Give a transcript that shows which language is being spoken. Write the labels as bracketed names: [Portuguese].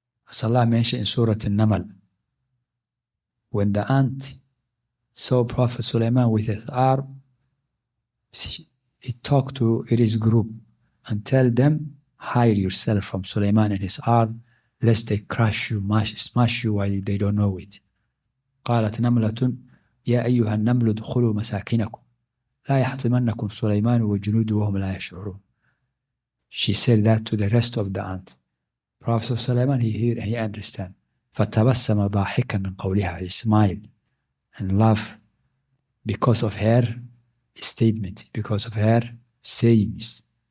[English] As Allah mentioned in Surah An-Naml, when the ant saw Prophet Sulaiman with his arm, he talked to his group and tell them, hide yourself from Sulaiman and his arm, lest they crush you, smash you while they don't know it. [Arabic] قالت نملة يا أيها النمل ادخلوا مساكنكم لا يحطمنكم سليمان وجنوده وهم لا يشعرون. [English] She said that to the rest of the ant. Prophet Sulaiman, he hear and he understand. [Arabic] فتبسم ضاحكا من قولها. [English] He smiled and laughed because of her statement, because of her sayings.